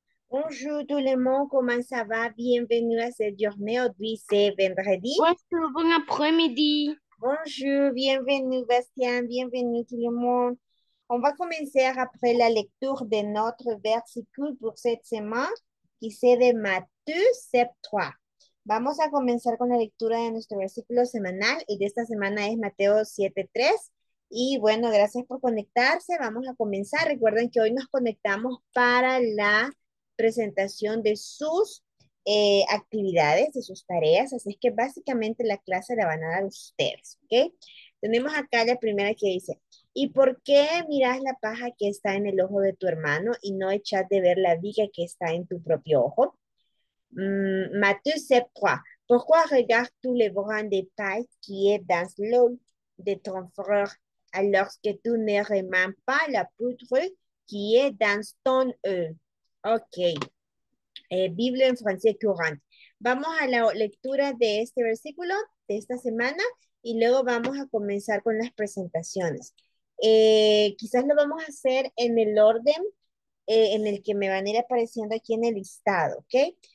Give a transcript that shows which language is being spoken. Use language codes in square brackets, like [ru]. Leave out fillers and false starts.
[fr] Bonjour tout le monde, comment ça va? Bienvenue à cette journée. Aujourd'hui, c'est vendredi. Bonjour, bon après-midi. Bonjour, bienvenue Bastien, bienvenue tout le monde. On va commencer après la lecture de notre versicule pour cette semaine qui c'est de Matthieu 7:3. [es] Vamos a comenzar con la lectura de nuestro versículo semanal y de esta semana es Mateo 7:3. Y bueno, gracias por conectarse. Vamos a comenzar. Recuerden que hoy nos conectamos para la presentación de sus actividades, de sus tareas. Así es que básicamente la clase la van a dar ustedes, ¿ok? Tenemos acá la primera que dice: ¿Y por qué miras la paja que está en el ojo de tu hermano y no echas de ver la viga que está en tu propio ojo? [fr] Matthieu 7:3. ¿Pourquoi regardes [es] tú [fr] le brin de paille qui est dans l'œil de ton frère alors que tú ne remarques pas la poutre qui est dans ton œil? [es] Ok, Biblia en francés [fr] courant. [es] Vamos a la lectura de este versículo de esta semana y luego vamos a comenzar con las presentaciones. Quizás lo vamos a hacer en el orden en el que me van a ir apareciendo aquí en el listado, ¿ok?